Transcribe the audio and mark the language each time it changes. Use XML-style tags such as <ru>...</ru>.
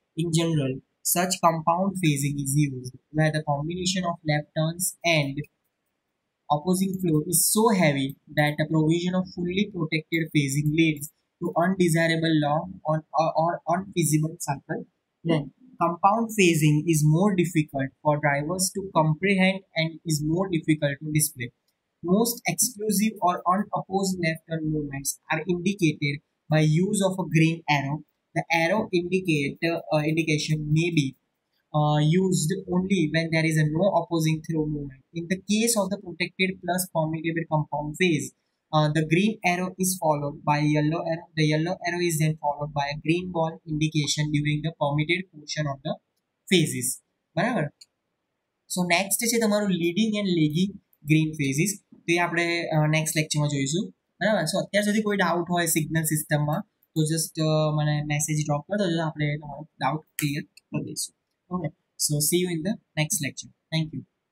<en>In general such compound phasing is use where the combination of left turns and opposing flow is so heavy that a provision of fully protected phasing leads to undesirable long or unfeasible circle. Then compound phasing is more difficult for drivers to comprehend and is more difficult to display. Most exclusive or unopposed left turn movements are indicated by use of a green arrow. The arrow indicator indication may be used only when there is a no opposing throw movement. In the case of the protected plus permeable compound phase, the green arrow is followed by a yellow arrow. The yellow arrow is then followed by a green ball indication during the permitted portion of the phases.</en> <gu>બરાબર, so next છે તમારું leading and lagging green ફેઝિસ, તો એ આપણે next લેક્ચરમાં જોઈશું. બરાબર, સો અત્યાર સુધી કોઈ ડાઉટ હોય સિગ્નલ સિસ્ટમમાં તો જસ્ટ મને મેસેજ ડ્રોપ કરો, તો આપણે તમારો ડાઉટ ક્લિયર કરી દઈશું.</gu> <en>Okay, so see you in the next lecture. Thank you.</en>